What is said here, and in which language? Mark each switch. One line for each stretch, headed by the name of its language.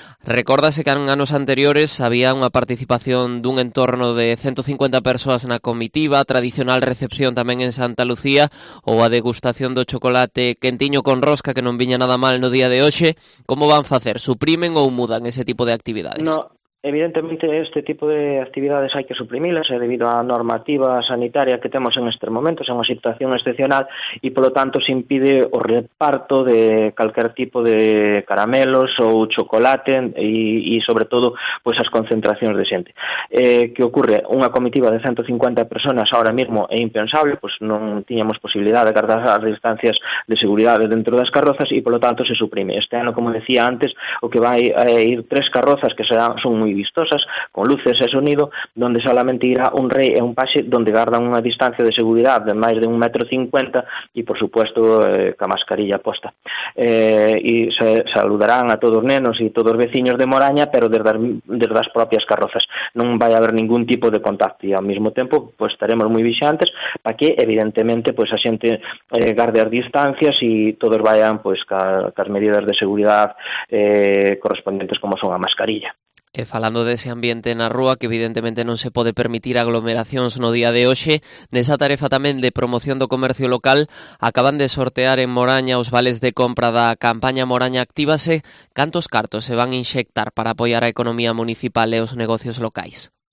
Galician: Recórdase que en anos anteriores había unha participación dun entorno de 150 persoas na comitiva, tradicional recepción tamén en Santa Lucía, ou a degustación do chocolate quentiño con rosca, que non viña nada mal no día de hoxe. Como van facer? Suprimen ou mudan ese tipo de actividades?
Spanish: No. Evidentemente, este tipo de actividades hay que suprimirlas debido a normativa sanitaria que tenemos en este momento, es una situación excepcional y, por lo tanto, se impide o reparto de cualquier tipo de caramelos o chocolate y sobre todo, pues esas concentraciones de xente. ¿Qué ocurre? Una comitiva de 150 personas ahora mismo é impensable, pues no teníamos posibilidad de guardar las distancias de seguridad dentro de las carrozas y, por lo tanto, se suprime. Este año, como decía antes, o que va a ir tres carrozas que son muy vistosas, con luces e sonido, donde solamente irá un rey e un paxe, donde guardan una distancia de seguridad de más de 1,50 m y, por supuesto, con mascarilla posta. Y se saludarán a todos nenos y todos vecinos de Moraña, pero desde las propias carrozas. No va a haber ningún tipo de contacto y, al mismo tiempo, pues estaremos muy vigilantes para que, evidentemente, pues
Galician: a xente guarde as distancias
Spanish: y todos vayan pues con medidas de seguridad correspondientes, como son a mascarilla.
Galician: E falando dese ambiente na rúa, que evidentemente non se pode permitir aglomeracións no día de hoxe, nesa tarefa tamén de promoción do comercio local, acaban de sortear en Moraña os vales de compra da campaña Moraña Actívase. Cantos cartos se van inxectar para apoiar a economía municipal e os negocios locais?